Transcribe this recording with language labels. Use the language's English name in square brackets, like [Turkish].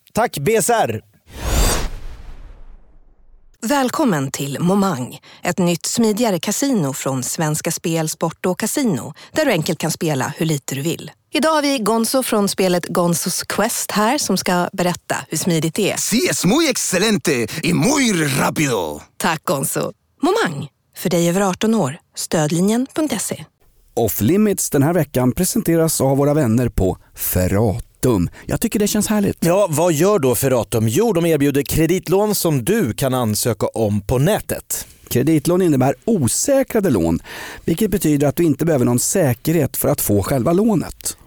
[Swedish] Tack, BSR! Välkommen till Momang, ett nytt smidigare kasino från Svenska Spel, Sport och Casino, där du enkelt kan spela hur lite du vill. Idag har vi Gonzo från spelet Gonzos Quest här som ska berätta hur smidigt det är. [Spanish] Sí, es muy excelente y muy rápido. [Swedish] Tack Gonzo. Momang, för dig över 18 år. Stödlinjen.se. Off Limits den här veckan presenteras av våra vänner på Ferrat. Dum. Jag tycker det känns härligt. Ja, vad gör då Ferratum? Jo, de erbjuder kreditlån som du kan ansöka om på nätet. Kreditlån innebär osäkrade lån, vilket betyder att du inte behöver någon säkerhet för att få själva lånet.